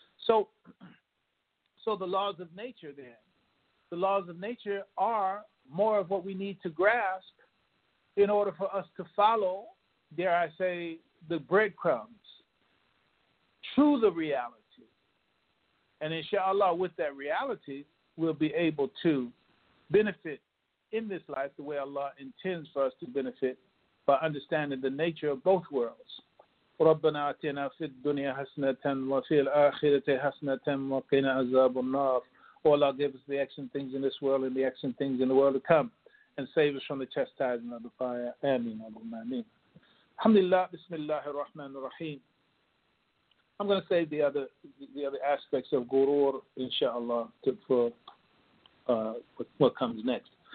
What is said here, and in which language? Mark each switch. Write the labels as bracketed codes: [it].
[en] So the laws of nature then, the laws of nature are more of what we need to grasp in order for us to follow, dare I say, the breadcrumbs to the reality. And inshallah, with that reality, we'll be able to benefit in this life the way Allah intends for us to benefit by understanding the nature of both worlds. [ar] ربنا آتنا في الدنيا حسنة وفي الآخرة حسنة وقنا عذاب النار. [en] Allah, give us the excellent things in this world and the excellent things in the world to come, and save us from the chastisement of the fire. Amin. [ar] Alhamdulillah, Bismillah ar-Rahman ar-Rahim. [en] I'm going to save the other aspects of gurur, inshallah, for what comes next.